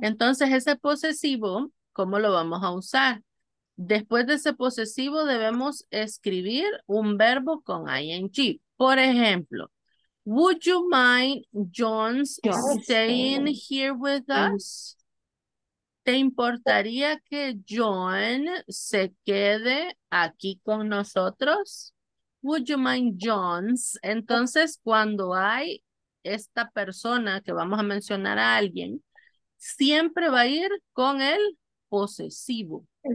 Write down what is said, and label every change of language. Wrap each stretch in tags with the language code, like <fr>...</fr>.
<es>Entonces, ese posesivo, ¿cómo lo vamos a usar? Después de ese posesivo debemos escribir un verbo con ing. Por ejemplo,</es> <en>would you mind John's staying here with us?</en> <es>¿Te importaría que John se quede aquí con nosotros?</es> <en>Would you mind John's?</en> <es>Entonces, cuando hay esta persona que vamos a mencionar a alguien, siempre va a ir con el posesivo.</es>